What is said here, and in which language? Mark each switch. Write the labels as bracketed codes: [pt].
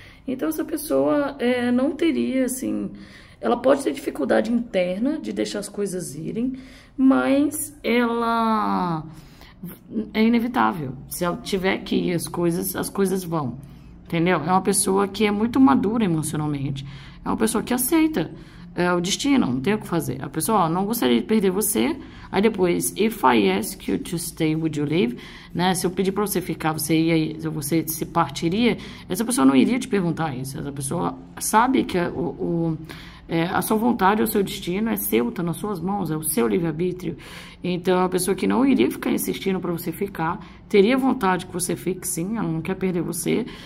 [pt] Então, essa pessoa não teria, assim, ela pode ter dificuldade interna de deixar as coisas irem, mas ela é inevitável. Se ela tiver que ir, as coisas vão. Entendeu? É uma pessoa que é muito madura emocionalmente. É uma pessoa que aceita o destino, não tem o que fazer. A pessoa, ó, não gostaria de perder você. Aí depois, [en] if I ask you to stay, would you leave? [pt] Né? Se eu pedir para você ficar, você ia, você se partiria? Essa pessoa não iria te perguntar isso. Essa pessoa sabe que a sua vontade, o seu destino é seu, tá nas suas mãos, é o seu livre-arbítrio. Então, a pessoa que não iria ficar insistindo para você ficar, teria vontade que você fique, sim, ela não quer perder você.